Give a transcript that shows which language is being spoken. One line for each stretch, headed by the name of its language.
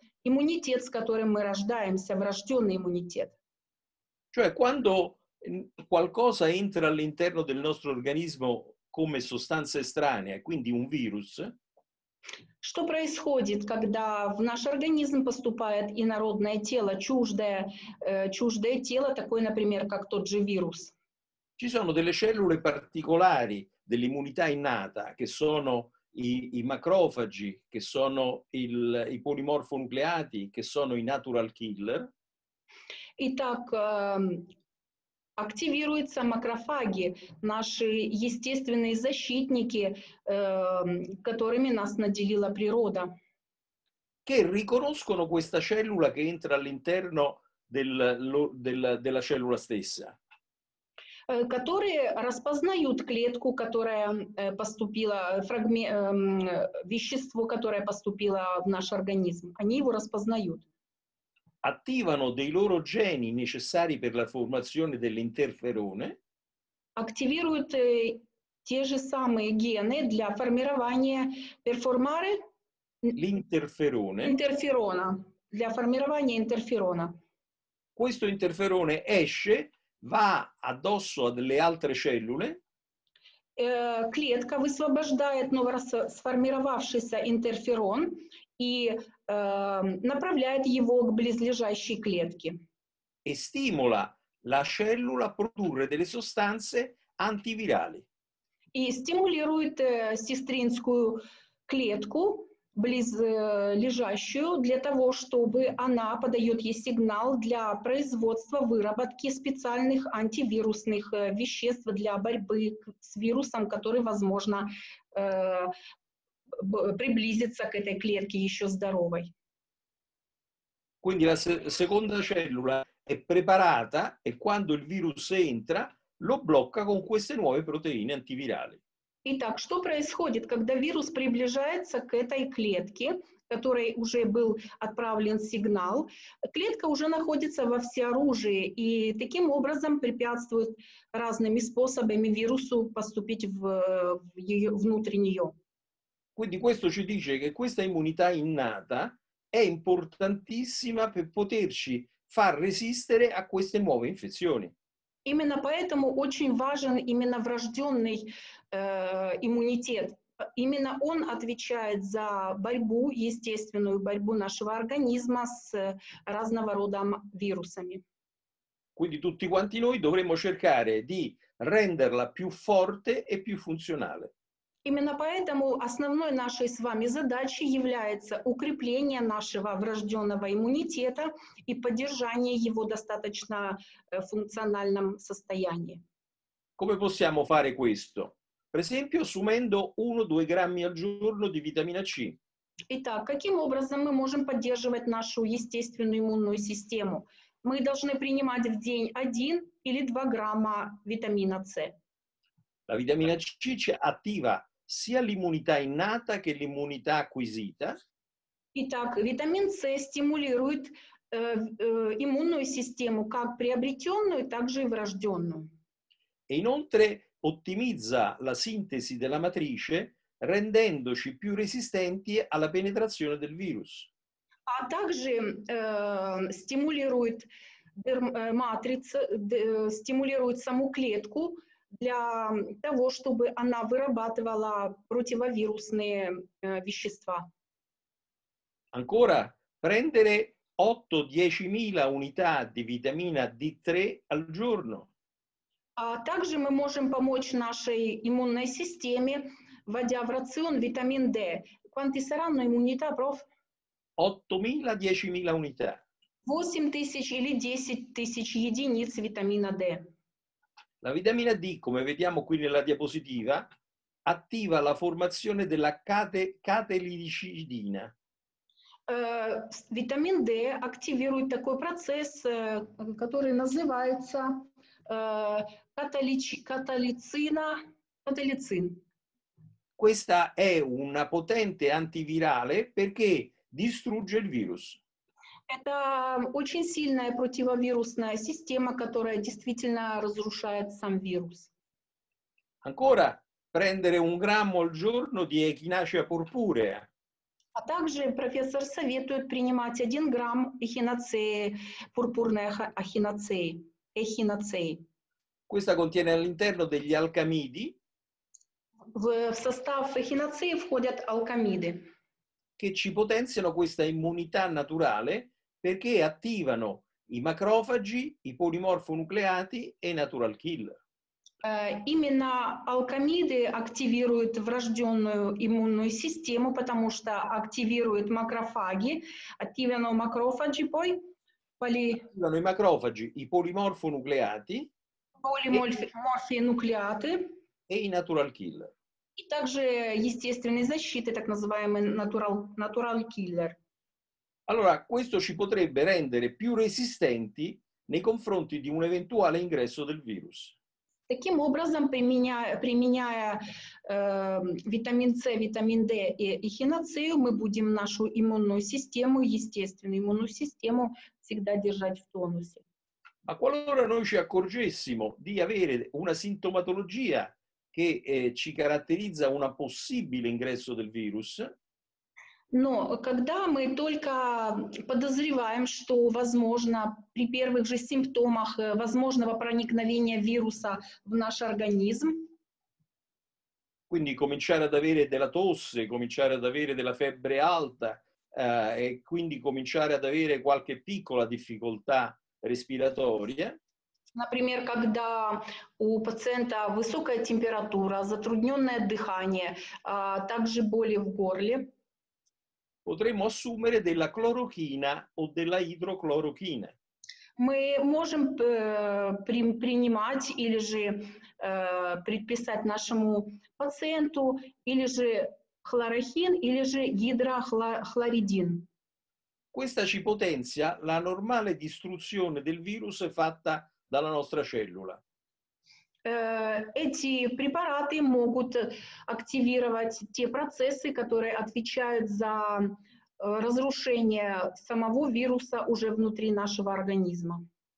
Russian: иммунитет, с которым мы рождаемся, врожденный иммунитет.
Italian: Cioè, quando qualcosa entra all'interno del nostro organismo come sostanza estranea, quindi un virus.
Russian: Что происходит, когда в наш организм поступает инородное тело, чуждое тело, такое, например, как тот же вирус?
Italian: Ci sono delle cellule particolari dell'immunità innata, che sono i macrofagi, che sono i polimorfonucleati, che sono i natural killer.
Russian: Итак, активируются макрофаги, наши естественные защитники, которыми нас наделила природа.
Italian: Che riconoscono questa cellula che entra all'interno della cellula stessa.
Russian: Которые распознают клетку, которая поступила, вещество, которое поступило в наш организм. Они его распознают.
Italian: Attivano dei loro geni necessari per la formazione dell'interferone.
Russian: Активируют те же самые гены для формирования перформары.
Italian: L'interferone.
Russian: Интерферона. Для формирования интерферона.
Italian: Questo interferone esce, va addosso alle altre cellule.
Russian: Клетка высвобождает новосформировавшийся интерферон и направляет его к близлежащей клетке.
Italian: E stimola la cellula a produrre delle sostanze antivirali.
Russian: И стимулирует сестринскую клетку близлежащую для того, чтобы она подает ей сигнал для производства, выработки специальных антивирусных веществ для борьбы с вирусом, который, возможно, приблизится к этой клетке еще здоровой.
Italian: Quindi la seconda cellula è preparata e quando il virus entra lo blocca con queste nuove proteine antivirali.
Russian: Итак, что происходит, когда вирус приближается к этой клетке, которой уже был отправлен сигнал? Клетка уже находится во всеоружии и таким образом препятствует разными способами вирусу поступить внутрь нее.
Italian: Quindi questo ci dice che questa immunità innata è importantissima per poterci far resistere a queste nuove infezioni.
Russian: Именно поэтому очень важен именно врожденный иммунитет. Именно он отвечает за борьбу, естественную борьбу нашего организма с разного рода вирусами.
Italian: Quindi tutti quanti noi dovremmo cercare di renderla più forte e più funzionale.
Russian: Именно поэтому основной нашей с вами задачей является укрепление нашего врожденного иммунитета и поддержание его достаточно функциональном состоянии.
Italian: Come possiamo fare questo? Per esempio, assumendo 1-2 grammi al giorno di vitamina C.
Russian: Итак, каким образом мы можем поддерживать нашу естественную иммунную систему? Мы должны принимать в день 1 или 2 грамма витамина С.
Italian: La vitamina C ci attiva sia l'immunità innata che l'immunità acquisita.
Russian: Итак, витамин С стимулирует иммунную систему как приобретенную, так же и врожденную.
Italian: E inoltre ottimizza la sintesi della matrice, rendendoci più resistenti alla penetrazione del virus.
Russian: А также стимулирует матрица, стимулирует саму клетку для того, чтобы она вырабатывала противовирусные вещества.
Italian: Ancora prendere 8-10.000 unità di vitamina D3 al giorno.
Russian: А также мы можем помочь нашей иммунной системе, вводя в рацион витамин D.
Italian: Quanti saranno immunità, prof? 8.000-10.000 unità.
Russian: 8.000 или 10.000 единиц витамина D.
Italian: La vitamina D, come vediamo qui nella diapositiva, attiva la formazione della catelicidina. Vitamin D attiva un processo che si chiama catelicin. Questa è una potente antivirale perché distrugge il virus.
Russian: Это очень сильная противовирусная система, которая действительно разрушает сам вирус.
Italian: Ancora prendere un grammo al giorno di echinacea purpurea.
Russian: А также профессор советует принимать 1 грамм эхиноцеи, пурпурной ахиноцеи, эхиноцеи.
Italian: Questa contiene all'interno degli алкамиди.
Russian: В состав эхиноцеи входят алкамиды.
Italian: Che ci potenziano questa immunità naturale perché attivano i macrofagi, i polimorfonucleati e i natural killer.
Russian: Именно алкамиды активируют врожденную иммунную систему, потому что активируют макрофаги, активируют макрофаги,
Italian: poi poli... Attivano i macrofagi, i polimorfonucleati, polimorfonucleati e i natural killer.
Russian: И также естественной защиты, так называемый natural killer.
Italian: Allora, questo ci potrebbe rendere più resistenti nei confronti di un eventuale ingresso del virus.
Russian: Таким образом, применяя витамин С, витамин Д и эхиноцею, мы будем нашу иммунную систему, естественную иммунную систему, всегда держать в тонусе.
Italian: Ma qualora noi ci accorgessimo di avere una sintomatologia che ci caratterizza un possibile ingresso del virus,
Russian: но когда мы только подозреваем, что возможно при первых же симптомах возможного проникновения вируса в наш организм,
Italian: quindi cominciare ad avere della tosse, cominciare ad avere della febbre alta, e quindi cominciare ad avere qualche piccola difficoltà respiratoria.
Russian: Например, когда у пациента высокая температура, затрудненное дыхание, также боли в горле.
Italian: Potremmo assumere della clorochina o della idroclorochina.
Russian: Мы можем принимать или же предписать нашему пациенту или же хлорохин или же гидрохлоридин.
Italian: Questa ci potenzia la normale distruzione del virus fatta dalla nostra cellula.
Russian: Эти препараты могут активировать те процессы, которые отвечают за разрушение самого вируса уже внутри нашего организма.